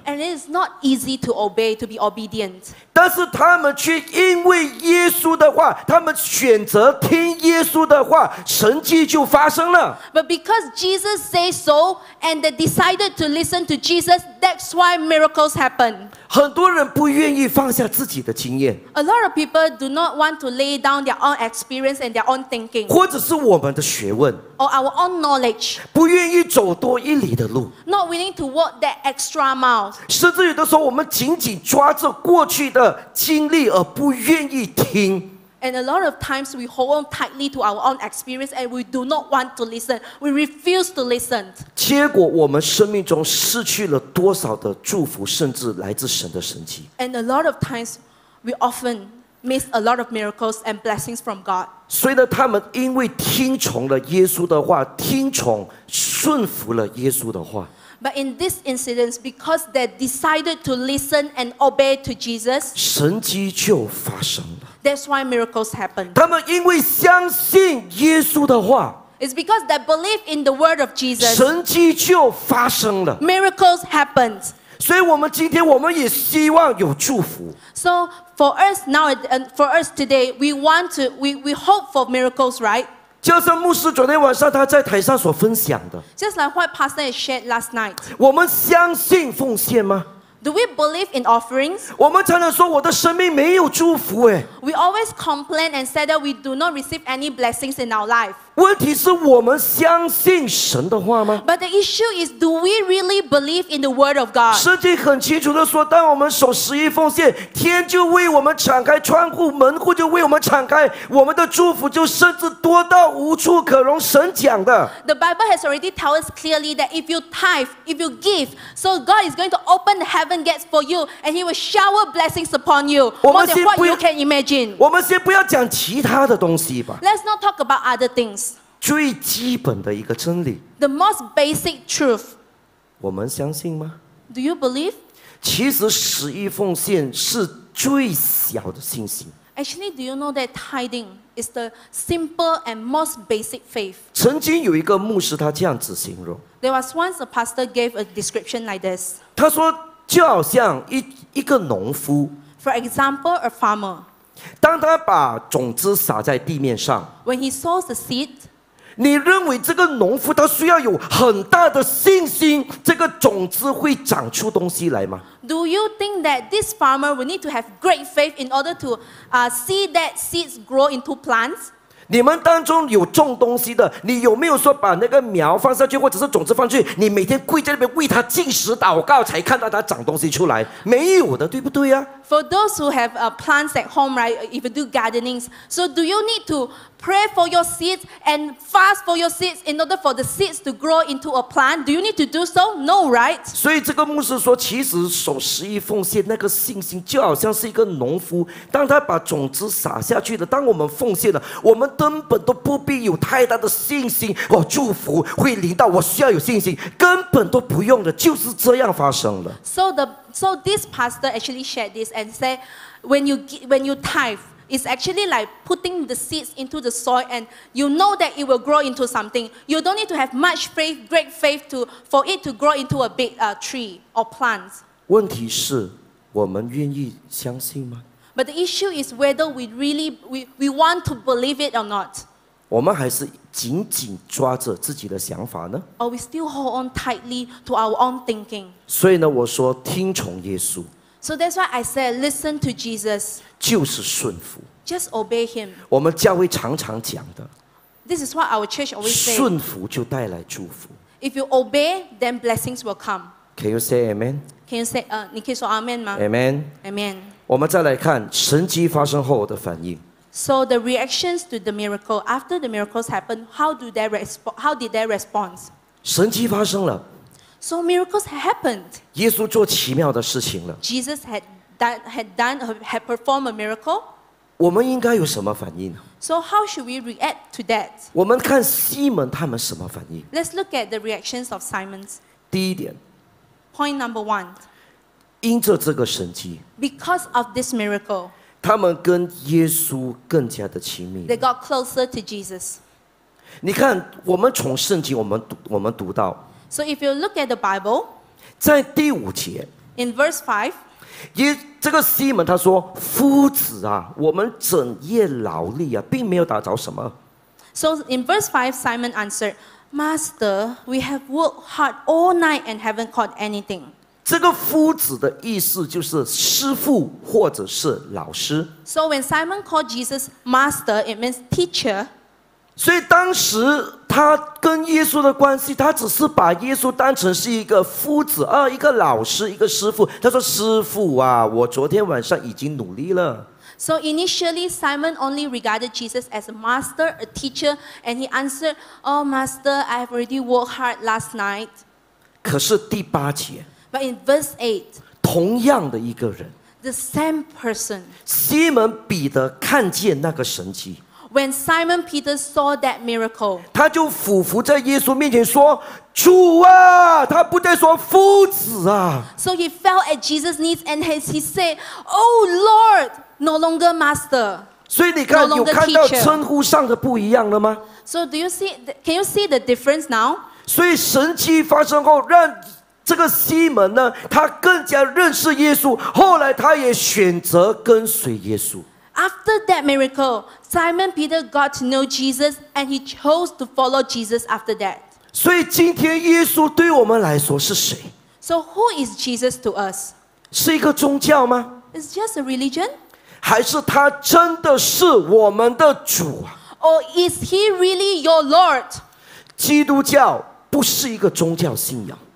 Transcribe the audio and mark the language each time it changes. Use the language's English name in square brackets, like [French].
[English] And it is not easy to obey, to be obedient. [Chinese] 但是他们却因为耶稣的话，他们选择听耶稣的话，神迹就发生了。 [English] But because Jesus says so, and they decided to listen to Jesus, that's why miracles happen. [Chinese] 很多人不愿意放下自己的经验。 [English] A lot of people do not want to lay down their own experience and their own thinking. [Chinese] 或者是我们的学问。 [English] Or our own knowledge. [Chinese] 不愿意走多一里的路。 [English] Not willing to walk that extra mile. [Chinese] 甚至有的时候我们紧紧抓着过去的经历而不愿意听。 [English] And a lot of times we hold on tightly to our own experience and we do not want to listen. We refuse to listen. [Chinese] 结果我们生命中失去了多少的祝福，甚至来自神的神迹。 [English] And a lot of times we often miss a lot of miracles and blessings from God. [Chinese] 所以呢，他们因为听从了耶稣的话，听从顺服了耶稣的话。 [English] But in this incident, because they decided to listen and obey to Jesus, [Chinese] 神迹就发生了。 [English] That's why miracles happen. [Chinese] 他们因为相信耶稣的话， [English] It's because they believe in the word of Jesus. [Chinese] 神迹就发生了。 [English] Miracles happen. [Chinese] 所以我们今天我们也希望有祝福。 [English] So for us now and for us today, we hope for miracles, right? [Chinese] 就像牧师昨天晚上他在台上所分享的。 [English] Just like what Pastor has shared last night. [Chinese] 我们相信奉献吗？ [English] Do we believe in offerings? [Chinese] 我们常常说我的生命没有祝福耶。 [English] We always complain and say that we do not receive any blessings in our life. [Chinese] 问题是我们相信神的话吗？ [English] But the issue is, do we really believe in the word of God? [Chinese] 圣经很清楚地说，当我们守十一奉献，天就为我们敞开窗户，门户就为我们敞开，我们的祝福就甚至多到无处可容。神讲的。 [English] The Bible has already told us clearly that if you tithe, if you give, so God is going to open the heaven gates for you, and he will shower blessings upon you, more than what you can imagine. [Chinese] 我们先不要讲其他的东西吧。 [English] Let's not talk about other things. [Chinese] 最基本的一个真理。 [English] The most basic truth. [Chinese] 我们相信吗？ [English] Do you believe? [Chinese] 其实十一奉献是最小的信心。 [English] Actually, do you know that tithing is the simple and most basic faith? [Chinese] 曾经有一个牧师他这样子形容。 [English] There was once a pastor gave a description like this. [Chinese] 他说就好像一个农夫。 [English] For example, a farmer. [Chinese] 当他把种子撒在地面上。 [English] When he sows the seed, [Chinese] 你认为这个农夫他需要有很大的信心，这个种子会长出东西来吗？ [English] Do you think that this farmer will need to have great faith in order to see that seeds grow into plants? [Chinese] 你们当中有种东西的，你有没有说把那个苗放下去，或者是种子放下去，你每天跪在那边为他进食祷告，才看到他长东西出来？没有的，对不对啊？ [English] For those who have plants at home, right? If you do gardenings, so do you need to? Pray for your seeds and fast for your seeds in order for the seeds to grow into a plant. Do you need to do so? No, right? [Chinese] 所以这个牧师说，其实守十一奉献那个信心就好像是一个农夫，当他把种子撒下去的，当我们奉献了，我们根本都不必有太大的信心，哦，祝福会临到，我需要有信心，根本都不用的，就是这样发生了。 [English] So this pastor actually shared this and said, when you tithe,It's actually like putting the seeds into the soil and you know that it will grow into something. You don't need to have much faith, great faith for it to grow into a big tree or plants. [Chinese] 问题是我们愿意相信吗？ [English] But the issue is whether we want to believe it or not. [Chinese] 我们还是紧紧抓着自己的想法呢？ [English] Or we still hold on tightly to our own thinking. [Chinese] 所以呢，我说听从耶稣。 [English] So that's why I said, listen to Jesus. [Chinese] 就是顺服。 [English] Just obey him. [Chinese] 我们教会常常讲的。 [English] This is what our church always say. [Chinese] 顺服就带来祝福。 [English] If you obey, then blessings will come. Can you say amen? Can you say, [Chinese] 你可以说 amen 吗？ [English] Amen. Amen. [Chinese] 我们再来看神迹发生后的反应。 [English] So the reactions to the miracle after the miracles happen, how did they respond? [Chinese] 神迹发生了。 [English] So miracles happened. [Chinese] 耶稣做奇妙的事情了。 [English] Jesus had performed a miracle. [Chinese] 我们应该有什么反应？ [English] So how should we react to that? [Chinese] 我们看西门他们什么反应？ [English] Let's look at the reactions of Simon's. [Chinese] 第一点。 [English] Point number one. [Chinese] 因着这个神迹。 [English] Because of this miracle. [Chinese] 他们跟耶稣更加的亲密。 [English] They got closer to Jesus. [Chinese] 你看，我们从圣经我们读到。 [English] So if you look at the Bible, [Chinese] 在第五节。 [English] In verse 5, [Chinese] 这个西门他说：“夫子啊，我们整夜劳力啊，并没有打着什么。 [English] ”So in verse 5, Simon answered, "Master, we have worked hard all night and haven't caught anything." [Chinese] 这个夫子的意思就是师父或者是老师。 [English] So when Simon called Jesus master, it means teacher. [Chinese] 所以当时他跟耶稣的关系，他只是把耶稣当成是一个夫子，一个老师，一个师父。他说：“师父啊，我昨天晚上已经努力了。” [English] So initially, Simon only regarded Jesus as a master, a teacher, and he answered, "Oh, master, I have already worked hard last night." [Chinese] 可是第八节。 [English] But in verse 8, [Chinese] 同样的一个人, [English] the same person, [Chinese] 西门彼得看见那个神迹, [English] when Simon Peter saw that miracle, [Chinese] 他就俯伏在耶稣面前说, 主啊, 他不再说夫子啊。 [English] So he fell at Jesus' knees and as he said, "Oh Lord, no longer master." [Chinese] 所以你看, [English] no longer teacher. [Chinese] 有看到称呼上的不一样了吗? [English] So do you see, can you see the difference now? [Chinese] 所以神迹发生后让这个西门呢，他更加认识耶稣，后来他也选择跟随耶稣。 [English] After that miracle, Simon Peter got to know Jesus and he chose to follow Jesus after that. [Chinese] 所以今天耶稣对我们来说是谁？ [English] So who is Jesus to us? [Chinese] 是一个宗教吗？ [English] It's just a religion? [Chinese] 还是他真的是我们的主啊？ [English] Or is he really your Lord? [Chinese] 基督教不是一个宗教信仰。